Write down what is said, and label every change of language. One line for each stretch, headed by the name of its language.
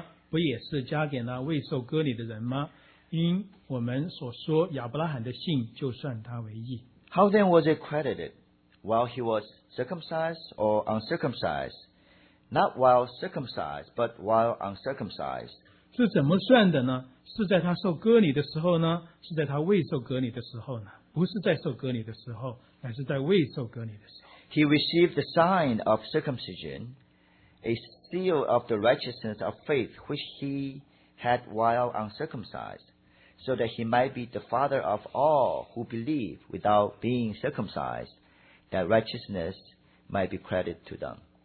Chinese: 如此看来，这幅是单加给那受割礼的人吗？不也是加给那未受割礼的人吗？因我们所说亚伯拉罕的信就算他为义。
English: How then was it credited? While he was circumcised or uncircumcised? Not while circumcised, but while uncircumcised.
Chinese: 是怎么算的呢? 是在他受割礼的时候呢?是在他未受割礼的时候呢? 不是在受割礼的时候, 乃是在未受割礼的时候。
English: He received the sign of circumcision, a seal of the righteousness of faith which he had while uncircumcised, so that he might be the father of all who believe without being circumcised, that righteousness might be credited to them.